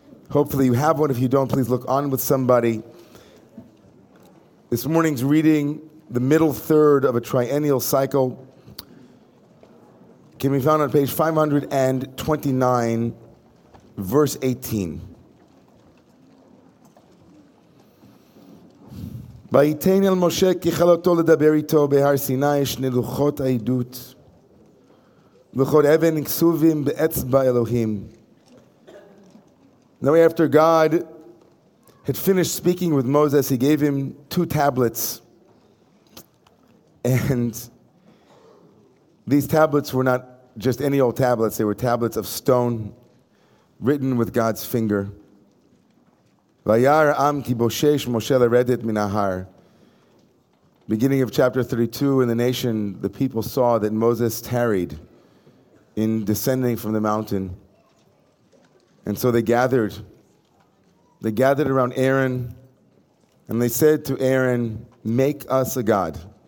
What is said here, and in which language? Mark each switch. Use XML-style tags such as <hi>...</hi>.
<en>Hopefully you have one. If you don't, please look on with somebody. This morning's reading, the middle third of a triennial cycle, can be found on page 529, verse 18.</en> <he>ויתן אל משה ככלותו לדבר איתו בהר סיני שני לוחות העדות לוחות אבן כסובים באצבע אלוהים.</he> <en>Now after God had finished speaking with Moses, he gave him two tablets. And these tablets were not just any old tablets, they were tablets of stone written with God's finger.</en> <he>וירא העם כי בושש משה לרדת מן ההר.</he> <en>Beginning of chapter 32, in the nation, the people saw that Moses tarried in descending from the mountain. And so they gathered. They gathered around Aaron, and they said to Aaron, make us a God.</en>